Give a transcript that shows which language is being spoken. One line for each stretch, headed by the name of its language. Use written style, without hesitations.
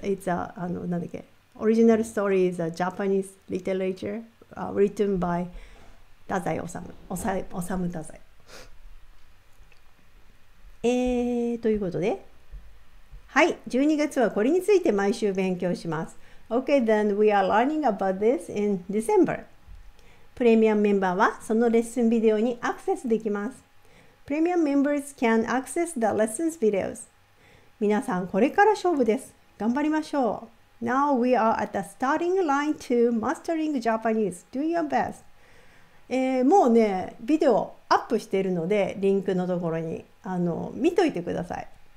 English: It's a, なんだっけ。Original story is a Japanese literature、written by 太宰治。
Japanese: 治太宰。ということで。はい、12月はこれについて毎週勉強します。
English: Okay, then we are learning about this in December.
Japanese: プレミアムメンバーはそのレッスンビデオにアクセスできます。
English: プレミアムメンバーズ can access the lessons videos.
Japanese: 皆さんこれから勝負です。頑張りましょう。
English: Now we are at the starting line to mastering Japanese. Do your best.、
Japanese: もうね、ビデオアップしているので、リンクのところに見といてください。